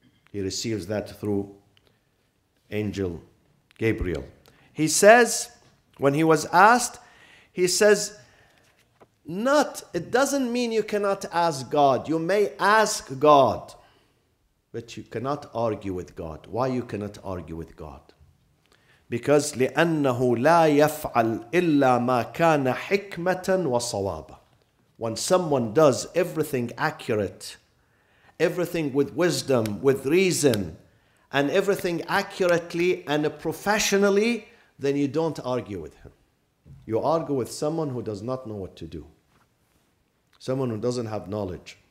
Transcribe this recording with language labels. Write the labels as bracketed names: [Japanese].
[English] He receives that through angel Gabriel. He says, when he was asked, he says, not, it doesn't mean you cannot ask God. You may ask God, but you cannot argue with God. Why you cannot argue with God? [Arabic] Because لأنه لا يفعل إلا ما كان حكمة وصوابا. [English] When someone does everything accurate, everything with wisdom, with reason, and everything accurately and professionally, then you don't argue with him. You argue with someone who does not know what to do. Someone who doesn't have knowledge.